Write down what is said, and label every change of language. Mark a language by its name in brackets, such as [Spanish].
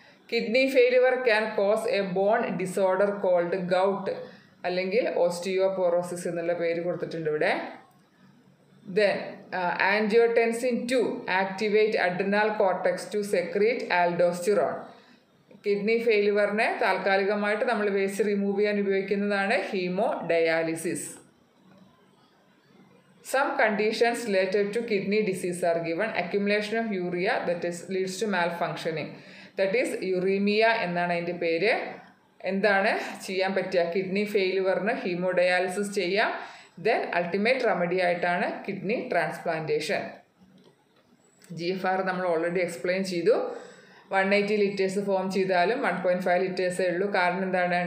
[English] kidney failure can cause a bone disorder called gout [Malayalam] അല്ലെങ്കിൽ osteoporosis എന്നുള്ള പേര് കൊടുത്തിട്ടുണ്ട് ഇവിടെ. [English] Then angiotensin 2 activate adrenal cortex to secrete aldosterone. [Malayalam] Kidney ഫെയിലുവറിനെ താൽക്കാലികമായിട്ട് നമ്മൾ വേസ്റ്റ് റിമൂവ് ചെയ്യാൻ ഉപയോഗിക്കുന്നതാണ് haemodialysis. [English] Some conditions related to kidney disease are given. Accumulation of urea that is leads to malfunctioning. That is uremia [Malayalam] എന്നാണ് അതിൻ്റെ പേര്. എന്താണ് ചെയ്യാൻ പറ്റുക? കിഡ്നി ഫെയിലുവറിന് ഹീമോഡയാലിസിസ് ചെയ്യാം. ദെൻ അൾട്ടിമേറ്റ് റെമഡി ആയിട്ടാണ് കിഡ്നി ട്രാൻസ്പ്ലാന്റേഷൻ. GFR നമ്മൾ ഓൾറെഡി എക്സ്പ്ലെയിൻ ചെയ്തു. 180 liters ഫോം ചെയ്താലും 1.5 liters ഉള്ളൂ. കാരണം എന്താണ്?